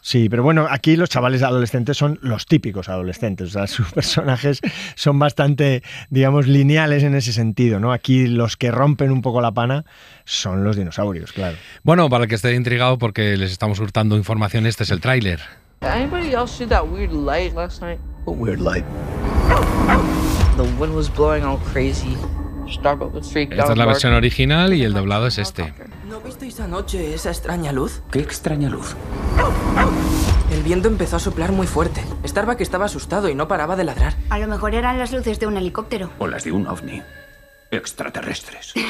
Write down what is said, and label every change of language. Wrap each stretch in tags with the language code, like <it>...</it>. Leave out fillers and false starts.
<es>Sí, pero bueno, aquí los chavales adolescentes son los típicos adolescentes, o sea, sus personajes son bastante, digamos, lineales en ese sentido, ¿no? Aquí los que rompen un poco la pana son los dinosaurios, claro. Bueno, para el que esté intrigado, porque les estamos hurtando información, este es el tráiler.</es> <en>Anybody else see that weird light last night? What weird light? The wind was blowing all crazy. Starbuck was freaked out.</en> <es>Esta es la versión original y el doblado es este. ¿No visteis anoche esa extraña luz? ¿Qué extraña luz? El viento empezó a soplar muy fuerte. Starbuck estaba asustado y no paraba de ladrar. A lo mejor eran las luces de un helicóptero. O las de un ovni. Extraterrestres.</es>